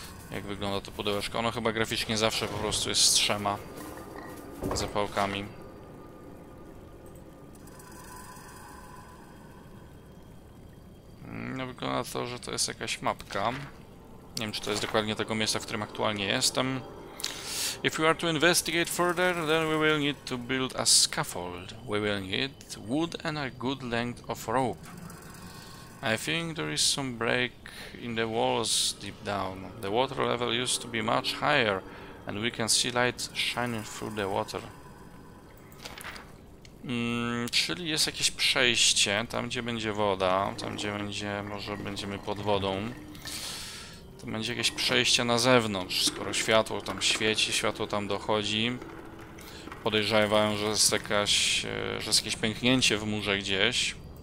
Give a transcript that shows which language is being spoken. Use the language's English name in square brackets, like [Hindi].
[Polish] Jak wygląda to pudełeczko. Ono chyba graficznie zawsze po prostu jest z trzema zapałkami. Wygląda to, że to jest jakaś mapka. Nie wiem, czy to jest dokładnie tego miejsca, w którym aktualnie jestem. [English] If we are to investigate further, then we will need to build a scaffold. We will need wood and a good length of rope. I think there is some break in the walls deep down. The water level used to be much higher, and we can see light shining through the water. [Polish] Czyli jest jakieś przejście, tam gdzie będzie woda, tam gdzie będzie, może będziemy pod wodą. To będzie jakieś przejście na zewnątrz, skoro światło tam świeci, światło tam dochodzi. Podejrzewają, że jest jakaś, że jest jakieś pęknięcie w murze gdzieś.